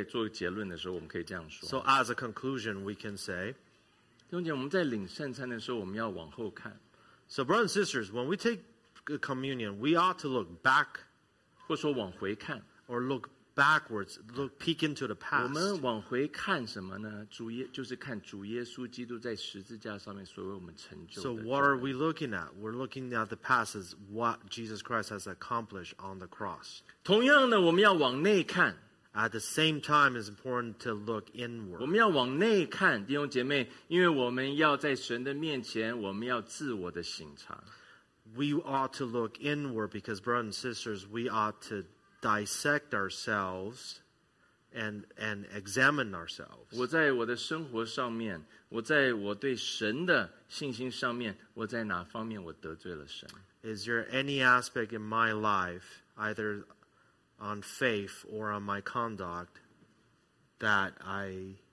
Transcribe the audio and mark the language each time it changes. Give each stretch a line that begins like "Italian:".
Chinese: 所以我们可以说，在做结论的时候，我们可以这样说。
English: So as a conclusion, we can say.
Chinese: 弟兄姐妹，我们在领圣餐的时候，我们要往后看。
English: So brothers and sisters, when we take communion, we ought to look back,
Chinese: 或说往回看,
English: or look backwards, look peek into the past.
Chinese: 我们往回看什么呢? 就是看主耶稣基督在十字架上面所为我们成就的。
English: So what are we looking at? We're looking at the past as what Jesus Christ has accomplished on the cross.
Chinese: 同样的，我们要往内看。
English: At the same time, it's important to look inward.
Chinese: 我们要往内看, 弟兄姐妹, 因为我们要在神的面前, 我们要自我的省察。
English: We ought to look inward because, brothers and sisters, we ought to dissect ourselves and examine ourselves.
Chinese: 我在我的生活上面, 我在我对神的信心上面, 我在哪方面我得罪了神?
English: Is there any aspect in my life, either on faith or on my conduct that I